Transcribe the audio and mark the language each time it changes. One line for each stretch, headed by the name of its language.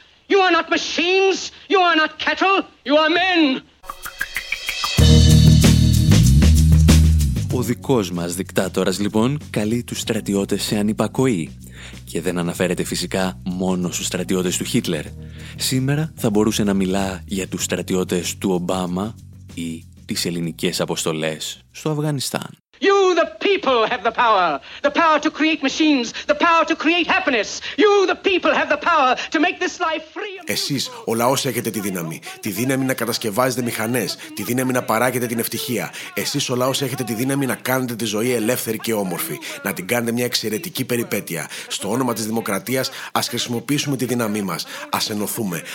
English: You are not machines, you are not cattle, you are men.
Greek: Ο δικός μας δικτάτορας λοιπόν καλεί τους στρατιώτες σε ανυπακοή. Και δεν αναφέρεται φυσικά μόνο στους στρατιώτες του Χίτλερ. Σήμερα θα μπορούσε να μιλά για τους στρατιώτες του Ομπάμα ή τις ελληνικές αποστολές στο Αφγανιστάν.
English: You, the people, have the power to create machines, the power to create happiness. You, the people, have the power to make this life free.
Greek: Εσείς, ο λαός, έχετε τη δύναμη. Τη δύναμη να κατασκευάζετε μηχανές, τη δύναμη να παράγετε την ευτυχία. Εσείς, ο λαός, έχετε τη δύναμη να κάνετε τη ζωή ελεύθερη και όμορφη, να την κάνετε μια εξαιρετική περιπέτεια. Στο όνομα της δημοκρατίας, ας χρησιμοποιήσουμε τη δύναμή μας. Ας ενωθούμε.